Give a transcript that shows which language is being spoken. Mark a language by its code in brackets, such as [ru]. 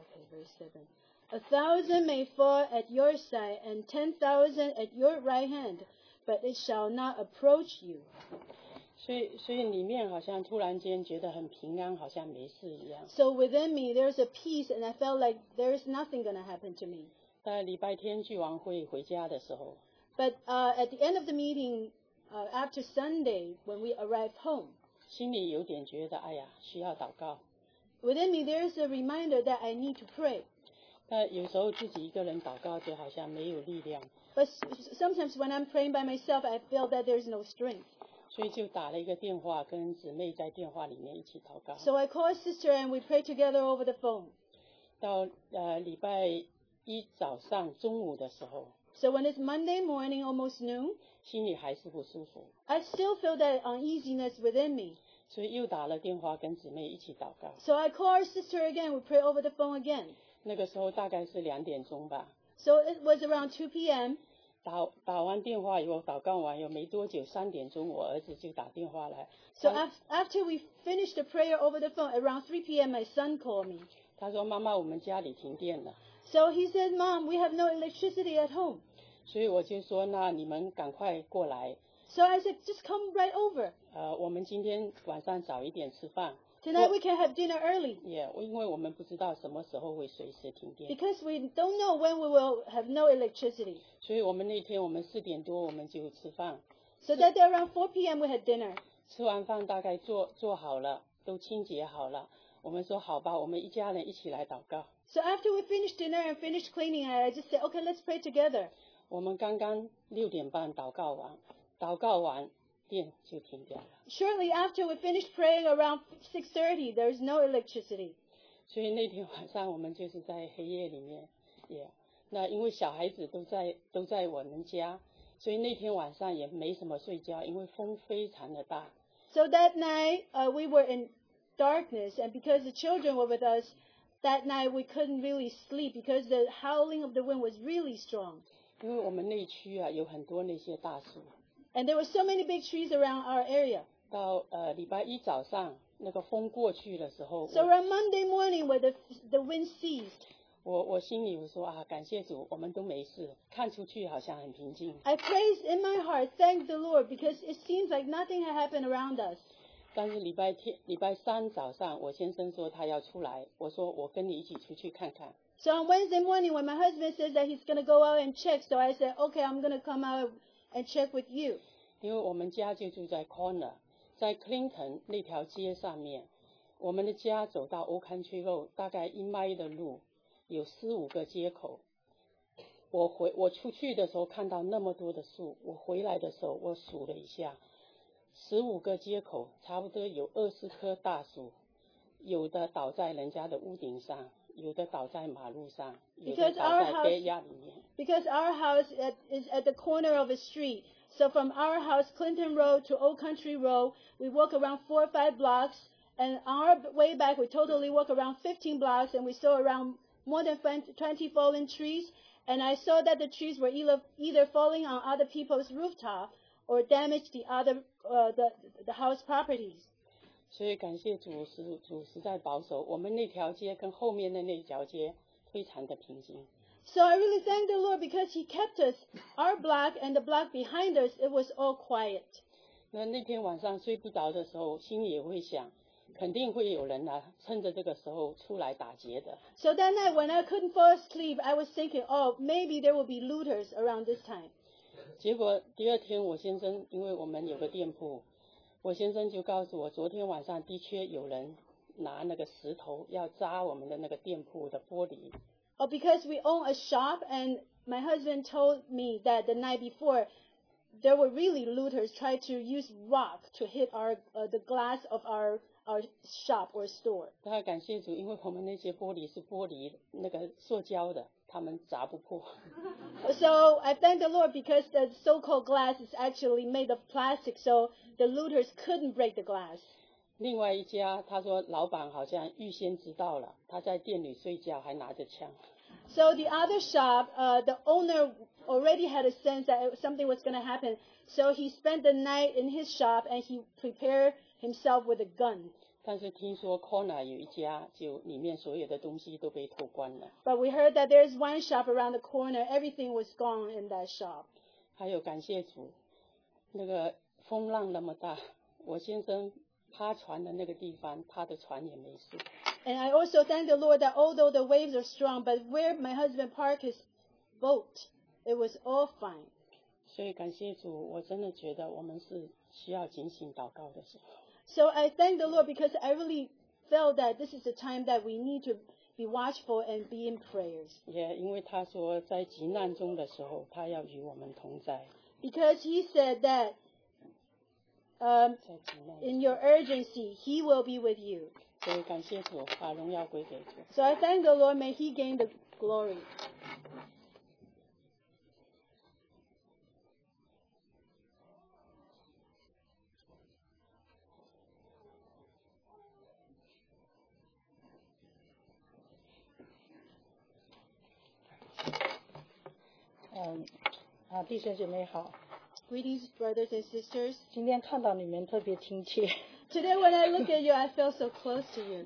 [en] Verse 7. A thousand may fall at your side and 10,000 at your right hand, but it shall not approach you. [zh] 所以里面好像突然间觉得很平安,好像没事一样。 [en] So within me, there's a peace and I felt like there is nothing going to happen to me. [zh] 在礼拜天聚完会回家的时候, [en] but at the end of the meeting, after Sunday, when we arrived home, [zh] 心里有点觉得,哎呀,需要祷告。 [en] Within me, there is a reminder that I need to pray. [zh] 有时候自己一个人祷告就好像没有力量。 [en] But sometimes when I'm praying by myself, I feel that there is no strength. [zh] 所以就打了一个电话,跟姊妹在电话里面一起祷告。 [en] So I called sister and we prayed together over the phone. [zh] 到礼拜一早上中午的时候。 [en] So when it's Monday morning, almost noon, [zh] 心里还是不舒服。 [en] I still feel that uneasiness within me. [zh] 所以又打了电话跟姊妹一起祷告。 [en] So I call our sister again. We pray over the phone again. [zh] 那个时候大概是两点钟吧。 [en] So it was around 2 p.m. [zh] 打完电话以后，祷告完以后没多久，三点钟我儿子就打电话来。 [en] So after we finished the prayer over the phone, around 3 p.m., my son called me. [zh] 他说妈妈，我们家里停电了。 [en] So he said, Mom, we have no electricity at home. [zh] 所以我就说，那你们赶快过来。 [en] So I said, just come right over. [zh] 我们今天晚上早一点吃饭。 [en] Tonight we can have dinner early. [zh] Yeah, 因为我们不知道什么时候会随时停电。 [en] Because we don't know when we will have no electricity. [zh] 所以我们那天我们四点多我们就吃饭。 [en] So that day around 4 p.m. we had dinner. [zh] 吃完饭大概做好了，都清洁好了。我们说好吧，我们一家人一起来祷告。 [en] So after we finished dinner and finished cleaning, I just said, okay, let's pray together. [zh] 我们刚刚六点半祷告完，祷告完。 [en] Shortly after we finished praying around 6:30, there is no electricity. [zh] 所以那天晚上我们就是在黑夜里面，也、yeah. 那因为小孩子都在我们家，所以那天晚上也没什么睡觉，因为风非常的大。 [en] So that night, we were in darkness, and because the children were with us, that night we couldn't really sleep because the howling of the wind was really strong. [zh] 因为我们那区啊有很多那些大树。 [en] And there were so many big trees around our area. [zh] 到礼拜一早上，那个风过去的时候。 [en] So around Monday morning, when the wind ceased. [zh] 我心里说啊，感谢主，我们都没事，看出去好像很平静。 [en] I praise in my heart, thank the Lord, because it seems like nothing had happened around us. [zh] 但是礼拜三早上，我先生说他要出来，我说我跟你一起出去看看。 [en] So on Wednesday morning, when my husband says that he's going to go out and check, so I said, okay, I'm going to come out. And check with you. [zh] 因为我们家就住在 corner, 在 Clinton 那条街上面。我们的家走到 Old Country Road, 大概一迈的路，有四五个街口。我出去的时候看到那么多的树，我回来的时候我数了一下，十五个街口差不多有二十棵大树，有的倒在人家的屋顶上。有的倒在马路上，有的倒在街亚里面。 [en] Because our house is at the corner of a street. So from our house, Clinton Road to Old Country Road, we walk around 4 or 5 blocks. And on our way back, we totally walk around 15 blocks. And we saw around more than 20 fallen trees. And I saw that the trees were either falling on other people's rooftop or damaged the house properties. [zh] 所以感谢主实在保守，我们那条街跟后面的那条街非常的平静。 [en] So I really thank the Lord because He kept us, our block and the block behind us, it was all quiet. [zh] 那天晚上睡不着的时候，心里也会想，肯定会有人啊，趁着这个时候出来打劫的。 [en] So that night when I couldn't fall asleep, I was thinking, oh, maybe there will be looters around this time. [zh] 结果第二天我先生，因为我们有个店铺，我先生就告诉我，昨天晚上的确有人拿那个石头要砸我们的那个店铺的玻璃。 [en] Oh, because we own a shop, and my husband told me that the night before, there were really looters trying to use rock to hit our, the glass of our shop or store. [zh] 他感谢主，因为我们那些玻璃是玻璃，那个塑胶的，他们砸不破。 [en] So I thank the Lord because the so-called glass is actually made of plastic, so the looters couldn't break the glass. [zh] 另外一家，他说老板好像预先知道了，他在店里睡觉还拿着枪。 [en] So the other shop, the owner already had a sense that something was going to happen, so he spent the night in his shop and he prepared himself with a gun. [zh] 但是听说 corner 有一家，就里面所有的东西都被偷光了。 [en] But we heard that there's one shop around the corner. Everything was gone in that shop. [zh] 还有感谢主，那个风浪那么大，我先生趴船的那个地方，他的船也没事。 [en] And I also thank the Lord that although the waves are strong, but where my husband parked his boat, it was all fine. [zh] 所以感谢主，我真的觉得我们是需要警醒祷告的时候。 [en] So I thank the Lord because I really felt that this is the time that we need to be watchful and be in prayers. [zh] Yeah, 因为他说在急难中的时候，他要与我们同在。 [en] Because he said that in your urgency, he will be with you. [zh] 所以感谢主，把荣耀归给主。 [en] So I thank the Lord, may he gain the glory. [zh] 啊，弟兄姐妹好。 [en] Greetings, brothers and sisters. [zh] 今天看到你们特别亲切。 [en] Today when I look at you, I feel so close to you.